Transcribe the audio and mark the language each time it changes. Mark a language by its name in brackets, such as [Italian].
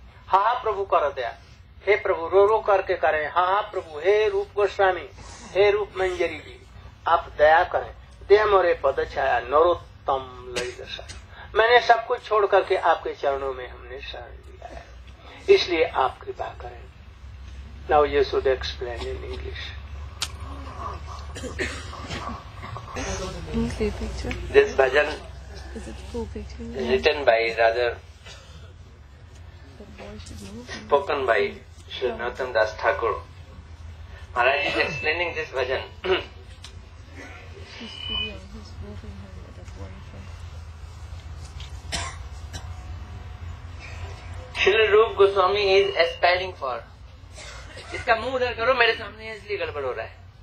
[Hindi] हा प्रभु कर दया, हे प्रभु रो रो करके करें, हा प्रभु हे रूप गोस्वामी हे रूप मंजरी जी आप दया करें, देह मोरे पद छाया नरोत्तम लई दशा, मैंने सब कुछ छोड़ करके आपके चरणों में हमने शरण लिया है, इसलिए आप कृपा करें। [English] Now you should explain in English. This bhajan is written by rather spoken by Sri Narottam Das Thakur. Maharaj is explaining this bhajan. Srila Roop Goswami is aspiring for. [Hindi] इसका मुंह उधर करो, मेरे सामने इसलिए गड़बड़ हो रहा है।